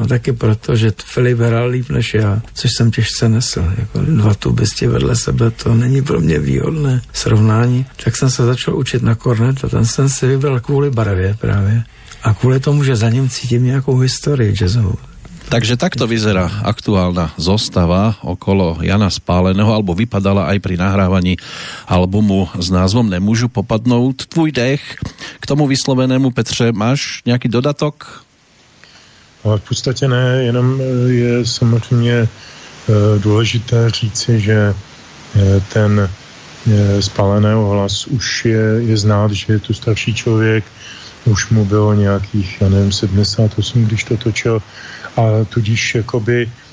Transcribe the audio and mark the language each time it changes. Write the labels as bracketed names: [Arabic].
[Czech] A taky proto, že Filip hrál líp než já, což jsem těžce nesl. Jako dva tubisti vedle sebe, to není pro mě výhodné srovnání. Tak jsem se začal učit na kornet a ten jsem si vybral kvůli barvě právě. A kvůli tomu, že za ním cítím nějakou historii jazzovou. [Slovak] Takže takto vyzerá aktuálna zostava okolo Jana Spáleného, alebo vypadala aj pri nahrávaní albumu s názvom Nemôžu popadnúť tvoj dech. K tomu vyslovenému, Petře, máš nejaký dodatok? [Czech] Ale v podstate ne, jenom je samozrejme dôležité říci, že ten Spáleného hlas už je znát, že je tu starší človek, už mu bylo nějakých, já nevím, 78, když to točil, a tudíž jakoby